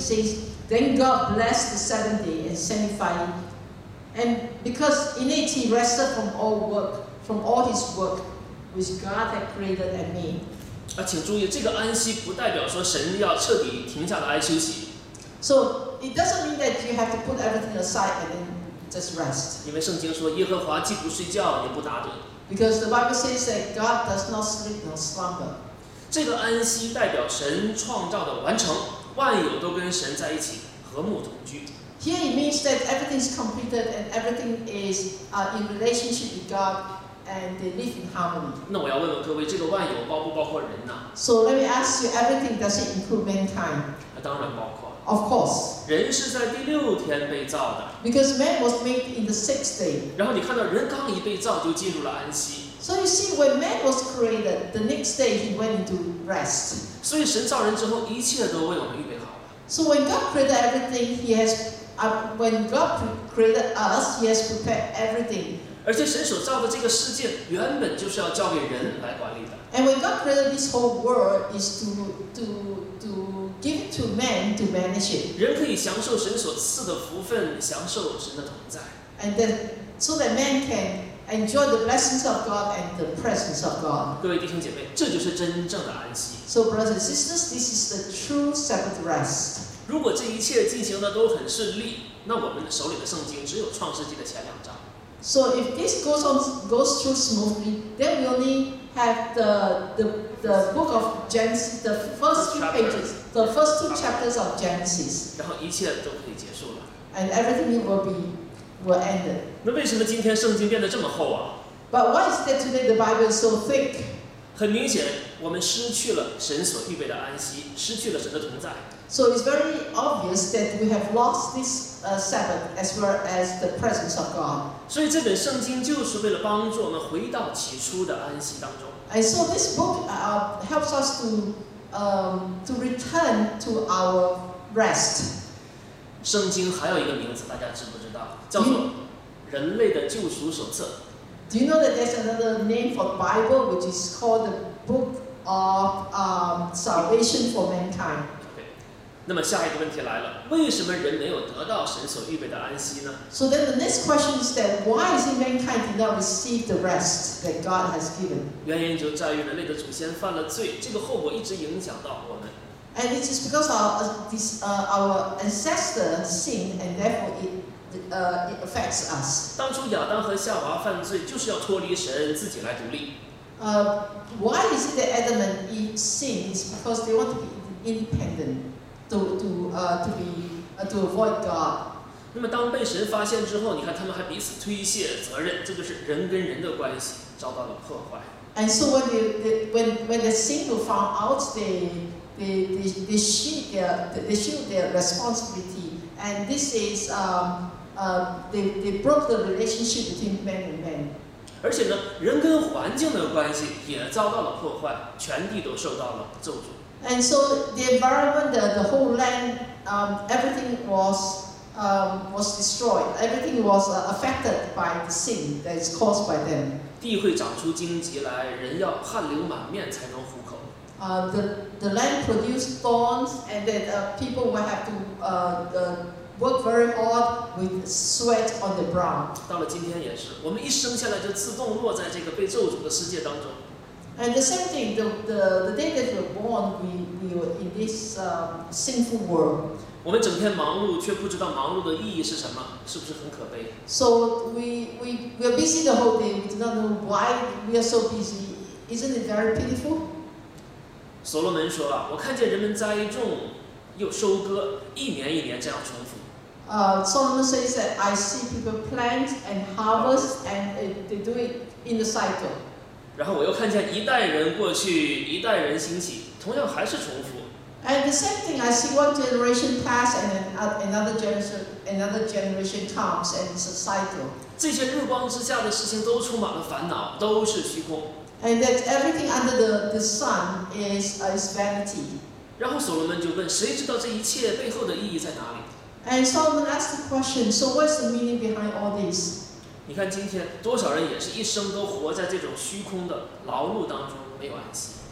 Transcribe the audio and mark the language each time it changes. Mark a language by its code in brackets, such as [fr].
[en] It says, "Then God blessed the seventh day and sanctified it." And because in it he rested from all work, from all his work, which God had created and made. [zh] 请注意，这个安息不代表说神要彻底停下来休息。 [en] So it doesn't mean that you have to put everything aside and then just rest. [zh] 因为圣经说耶和华既不睡觉也不打盹。 [en] Because the Bible says that God does not sleep nor slumber. [zh] 这个安息代表神创造的完成，万有都跟神在一起和睦同居。 [en] Here it means that everything is completed and everything is in relationship with God and they live in harmony. [zh] 那我要问问各位，这个万有包不包括人呢？ [en] So let me ask you, everything does it include mankind? [zh] 当然包括。 [en] Of course. [zh] 人是在第六天被造的。 [en] Because man was made in the sixth day. [zh] 然后你看到人刚一被造就进入了安息。 [en] So you see, when man was created, the next day he went into rest. [zh] 所以神造人之后，一切都为我们预备好。 [en] So when God created everything, he has when God created us, He has prepared everything. [zh] 而且神所造的这个世界原本就是要交给人来管理的。 [en] And when God created this whole world, is to give to man to manage it. [zh] 人可以享受神所赐的福分，享受神的同在。 [en] And then, so that man can enjoy the blessings of God and the presence of God. [zh] 各位弟兄姐妹，这就是真正的安息。 [en] So brothers and sisters, this is the true Sabbath rest. [zh] 如果这一切进行的都很顺利，那我们手里的圣经只有创世纪的前两章。 [en] So if this goes through smoothly, then we only have the book of Genesis, the first two pages, the first two chapters of Genesis. [zh] 然后一切都可以结束了。 [en] And everything will end. [zh] 那为什么今天圣经变得这么厚啊？ [en] But why is that today the Bible is so thick? [zh] 很明显，我们失去了神所预备的安息，失去了神的同在。 [en] So it's very obvious that we have lost this Sabbath as well as the presence of God. [zh] 所以这本圣经就是为了帮助我们回到起初的安息当中。 [en] And so this book helps us to return to our rest. [zh] 圣经还有一个名字，大家知不知道？叫做《人类的救赎手册》。 [en] Do you know that there's another name for the Bible, which is called the Book of Salvation for Mankind? [zh] 那么下一个问题来了，为什么人没有得到神所预备的安息呢？ [en] So then the next question is that why is it mankind did not receive the rest that God has given? [zh] 原因就在于人类的祖先犯了罪，这个后果一直影响到我们。 [en] And it is because our ancestor sinned, and therefore it affects us. [zh] 当初亚当和夏娃犯罪，就是要脱离神，自己来独立。 [en] Why is it that Adam and Eve sinned? It's because they want to be independent. To avoid God. [zh] 那么当被神发现之后，你看他们还彼此推卸责任，这就是人跟人的关系遭到了破坏。 [en] And so when the sin was found out, they shield their responsibility, and this is they broke the relationship between man and man. [zh] 而且呢，人跟环境的关系也遭到了破坏，全地都受到了咒诅。 [en] And so the environment, the whole land, everything was destroyed. Everything was affected by the sin that is caused by them. [zh] 地会长出荆棘来，人要汗流满面才能糊口。 [en] The land produced thorns, and then people will have to work very hard with sweat on the brow. [zh] 到了今天也是，我们一生下来就自动落在这个被咒诅的世界当中。 [en] And the same thing, the day that we're born, we were in this sinful world. [zh] 我们整天忙碌，却不知道忙碌的意义是什么，是不是很可悲？ [en] So we are busy the whole day. We do not know why we are so busy. Isn't it very pitiful? [zh] 所罗门说了，我看见人们栽种，又收割，一年一年这样重复。 [en] Solomon says that I see people plant and harvest, and they do it in the cycle. [zh] 然后我又看见一代人过去，一代人兴起，同样还是重复。 [en] And the same thing, I see one generation pass and another generation comes and it's a cycle. [zh] 这些日光之下的事情都充满了烦恼，都是虚空。 [en] And that everything under the sun is vanity. [zh] 然后所罗门就问：谁知道这一切背后的意义在哪里？ [en] And Solomon asked the question, so what's the meaning behind all this? [zh] 你看今天多少人也是一生都活在这种虚空的劳碌当中，没有安息。